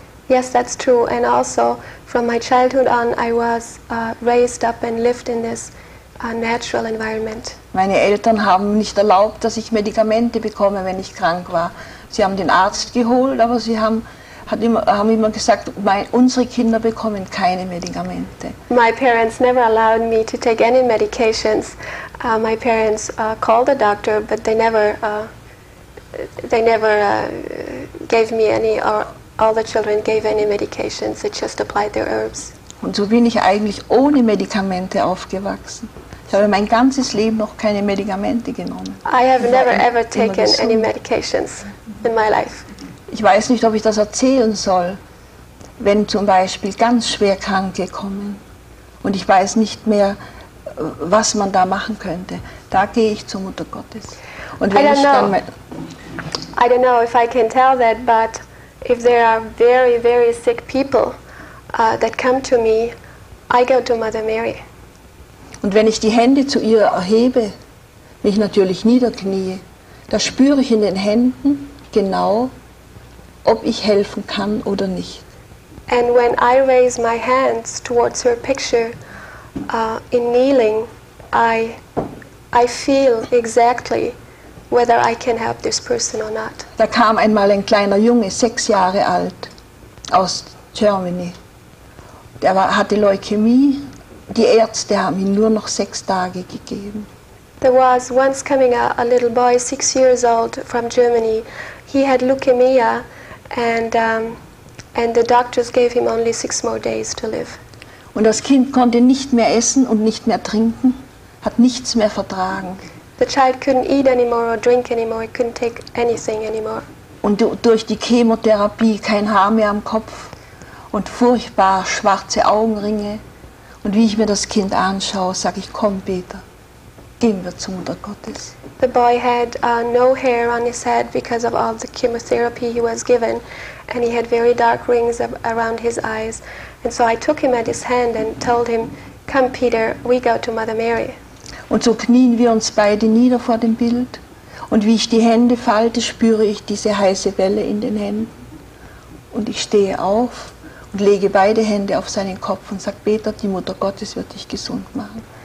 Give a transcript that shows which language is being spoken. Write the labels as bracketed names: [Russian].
[English] Yes, that's true. And also, from my childhood on, I was raised up and lived in this natural environment. [German] Meine Eltern haben nicht erlaubt, dass ich Medikamente bekomme, wenn ich krank war. Sie haben den Arzt geholt, aber sie haben immer gesagt, unsere Kinder bekommen keine Medikamente. [English] My parents never allowed me to take any medications. My parents called the doctor, but they never gave me any. All the children gave any medications, they just applied their herbs. [German] Und so bin ich eigentlich ohne Medikamente aufgewachsen. Ich habe mein ganzes Leben noch keine Medikamente genommen. [English] I have never ever taken any medications in my life. [German] Ich weiß nicht, ob ich das erzählen soll, wenn zum Beispiel ganz schwer Kranke kommen und ich weiß nicht mehr, was man da machen könnte. Da gehe ich zur Mutter Gottes. Und wenn [English] I don't know if I can tell that, but if there are very, very sick people that come to me, I go to Mother Mary. [German] Und wenn ich die Hände zu ihr erhebe, mich natürlich niederknie, da spüre ich in den Händen genau, ob ich helfen kann oder nicht. [English] And when I raise my hands towards her picture in kneeling, I feel exactly whether I can help this person or not. [German] Da kam einmal ein kleiner Junge, 6 Jahre alt, aus Germany. Der hatte Leukämie. Die Ärzte haben ihm nur noch 6 Tage gegeben. [English] There was once coming a little boy, 6 years old, from Germany. He had leukemia, and the doctors gave him only 6 more days to live. [German] Und das Kind konnte nicht mehr essen und nicht mehr trinken, hat nichts mehr vertragen. [English] The child couldn't eat anymore or drink anymore, couldn't take anything anymore. [German] Und durch die Chemotherapie kein Haar mehr am Kopf und furchtbar schwarze Augenringe. Und wie ich mir das Kind anschaue, sage ich, komm Peter, gehen wir zu Mutter Gottes. [English] The boy had no hair on his head because of all the chemotherapy he was given, and he had very dark rings around his eyes. And so I took him at his hand and told him, come Peter, we go to Mother Mary. [German] Und so knien wir uns beide nieder vor dem Bild. Und wie ich die Hände falte, spüre ich diese heiße Welle in den Händen. Und ich stehe auf und lege beide Hände auf seinen Kopf und sage, Peter, die Mutter Gottes wird dich gesund machen.